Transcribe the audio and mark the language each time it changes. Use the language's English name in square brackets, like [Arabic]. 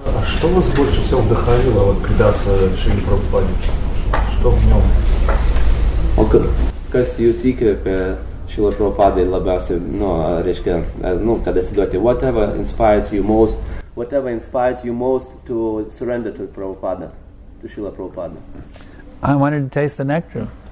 [Russian] Что вас больше всего вдохновило вот предаться Шриле Прабхупаде? Что в нем? [Lithuanian] Kas jūs įkvėpė Šrilą Prabhupādu labiausiai, kad atsiduoti, [English] whatever inspired you most. Whatever inspired you most to surrender to Prabhupada, to Srila Prabhupada? I wanted to taste the nectar.